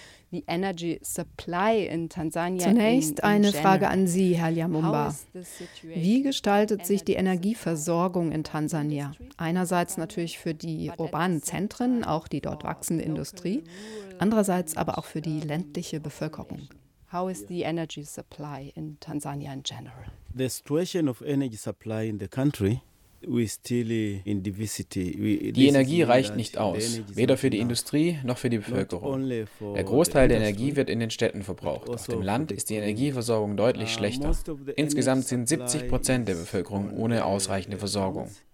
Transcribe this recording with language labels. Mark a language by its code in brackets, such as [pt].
[en] The energy supply in Tansania. [de] Zunächst eine Frage an Sie, Herr Liamumba. Wie gestaltet sich die Energieversorgung in Tansania? Einerseits natürlich für die urbanen Zentren, auch die dort wachsende Industrie, andererseits aber auch für die ländliche Bevölkerung. [en] How is the energy supply in Tansania in general? The situation of energy supply in the country. [de] Die Energie reicht nicht aus, weder für die Industrie noch für die Bevölkerung. Der Großteil der Energie wird in den Städten verbraucht. Auf dem Land ist die Energieversorgung deutlich schlechter. Insgesamt sind 70% der Bevölkerung ohne ausreichende Versorgung.